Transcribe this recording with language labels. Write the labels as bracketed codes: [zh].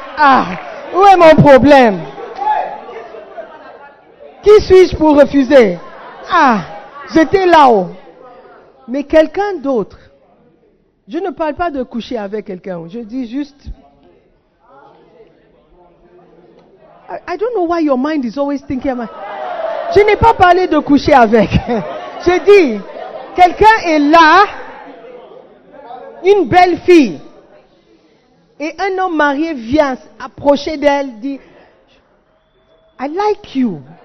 [fr] Ah, où est mon problème? Qui suis-je pour refuser? Ah, j'étais là-haut. Mais quelqu'un d'autre, je ne parle pas de coucher avec quelqu'un, je dis juste... [en] I don't know why your mind is always thinking about... [fr] Je n'ai pas parlé de coucher avec. Je dis, quelqu'un est là, une belle fille. Et un homme marié vient approcher d'elle, dit, [en] I like you.